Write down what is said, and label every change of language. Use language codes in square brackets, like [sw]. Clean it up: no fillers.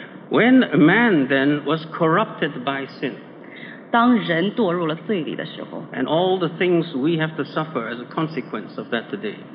[en] When man then was corrupted by sin. [zh] 当人堕入了罪里的时候。 [en] And all the things we have to suffer as a consequence of that today.